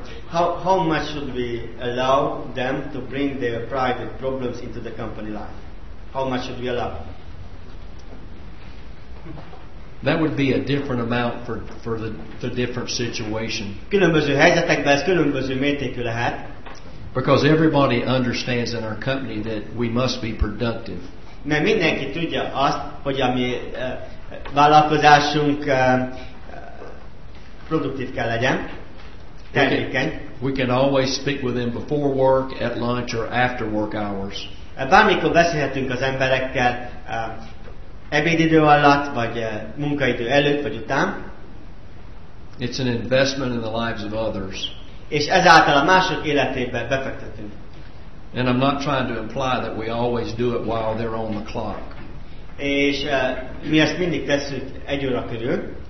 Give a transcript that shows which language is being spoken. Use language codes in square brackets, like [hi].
[en] How much should we allow them to bring their private problems into the company life? How much should we allow? That would be a different amount for the different situation. [hu] Különböző helyzetekben ez különböző mértékű lehet. [en] Because everybody understands in our company that we must be productive. [hu] Mert mindenki tudja azt, hogy a mi vállalkozásunk produktív kell legyen, termékeny. [en] We can always speak with them before work, at lunch, or after work hours. [hu] Bármikor beszélhetünk az emberekkel ebédidő alatt, vagy munkaidő előtt, vagy után. [en] It's an investment in the lives of others. [hu] És ezáltal a mások életében befektetünk. [en] And I'm not trying to imply that we always do it while they're on the clock. [hu] És mi ezt mindig tesszük egy óra körül.